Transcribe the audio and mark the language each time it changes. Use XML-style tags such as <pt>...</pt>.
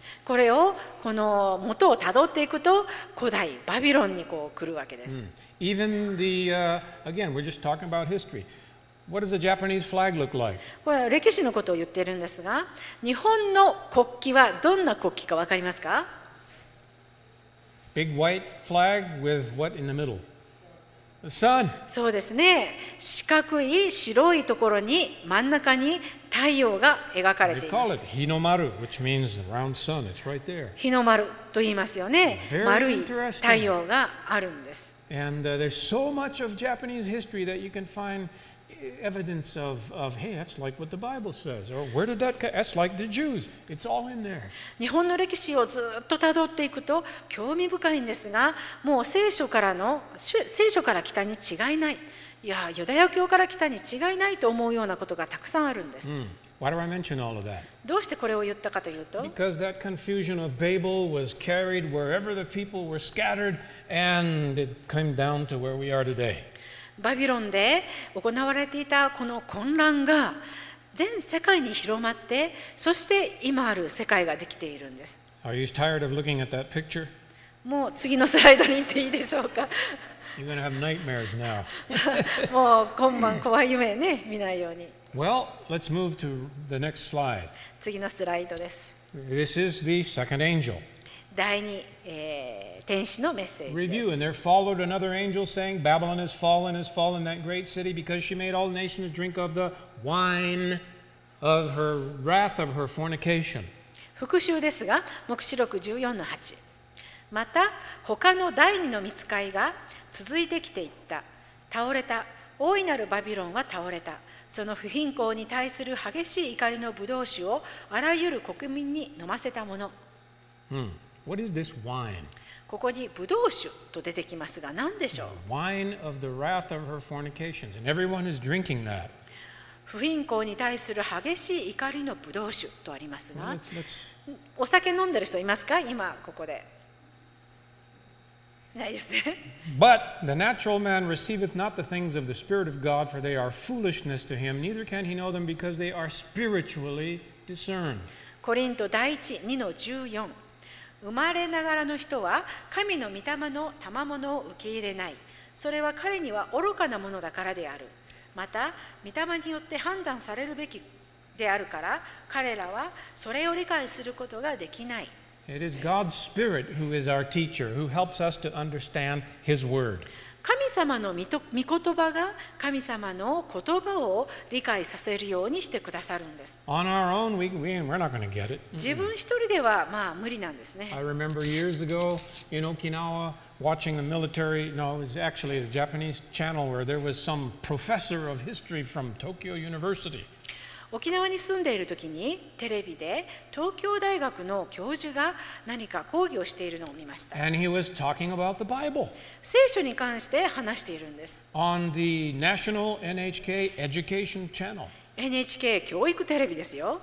<ja>これをこの元をたどっていくと古代バビロンにこう来るわけです。</ja> <en>Even the, again, we're just talking about history. What does the Japanese flag look like?</en> <ja>これは歴史のことを言っているんですが、日本の国旗はどんな国旗かわかりますか？</ja> <en>Big white flag with what in the middle? Sun.</en> <ja>そうですね。四角い白いところに真ん中に太陽が描かれています。</ja> <en>They call it Hinomaru, which means round sun. It's right there.</en> <ja>Hinomaru と言いますよね。丸い太陽があるんです。</ja> <en>And there's so much of Japanese history that you can find evidence of hey, that's like what the Bible says. Or where did that? That's like the Jews. It's all in there.</en> <ja>日本の歴史をずっとたどっていくと興味深いんですが、もう聖書から来たに違いない。いや、ユダヤ教から来たに違いないと思うようなことがたくさんあるんです。</ja> <en>Why do I mention all of that?</en> <ja>どうしてこれを言ったかというと、</ja> <en>Because that confusion of Babel was carried wherever the people were scattered, and it came down to where we are today.</en> <ja>バビロンで行われていたこの混乱が全世界に広まって、そして今ある世界ができているんです。</ja> <en>Are you tired of looking at that picture?</en> <ja>もう次のスライドに行っていいでしょうか。</ja> <en>You're gonna have nightmares now.</en> <ja>もう今晩怖い夢ね、見ないように。</ja> <en>Well, let's move to the next slide.</en> <ja>次のスライドです。</ja> <en>This is the second angel.</en> <ja>第二、天使のメッセージです。</ja> <en>Review, and there followed another angel saying, Babylon has fallen, that great city, because she made all nations drink of the wine of her wrath, of her fornication.</en> <ja>復習ですが、黙示録14の8。また、他の第二の御使いが続いてきていった。倒れた。大いなるバビロンは倒れた。その不貧困に対する激しい怒りの葡萄酒をあらゆる国民に飲ませたもの。</ja> <en>What is this wine?</en> <ja>ここにブドウ酒と出てきますが、何でしょう？</ja> <en>Wine of the wrath of her fornications, and everyone is drinking that.</en> <ja>不貧困に対する激しい怒りのブドウ酒とありますが、お酒飲んでる人いますか？今ここで。ないですね。</ja> <en>But the natural man receiveth not the things of the Spirit of God, for they are foolishness to him; neither can he know them, because they are spiritually discerned.</en> <ja>コリント第一二の十四。生まれながらの人は神の御霊の賜物を受け入れない。それは彼には愚かなものだからである。また御霊によって判断されるべきであるから、彼らはそれを理解することができない。</ja> <en>It is God's Spirit who is our teacher, who helps us to understand His Word.</en> <ja>神様の御言葉が神様の言葉を理解させるようにしてくださるんです。</ja> <en>On our own, we're not going to get it.</en> <ja>自分一人ではまあ無理なんですね。</ja> <en>I remember years ago in Okinawa watching the military. No, it was actually the Japanese channel where there was some professor of history from Tokyo University.</en> <ja>沖縄に住んでいるときにテレビで東京大学の教授が何か講義をしているのを見ました。</ja> <en>And he was talking about the Bible.</en> <ja>聖書に関して話しているんです。</ja> <en>On the National NHK Education Channel.</en> <ja>NHK 教育テレビですよ。</ja>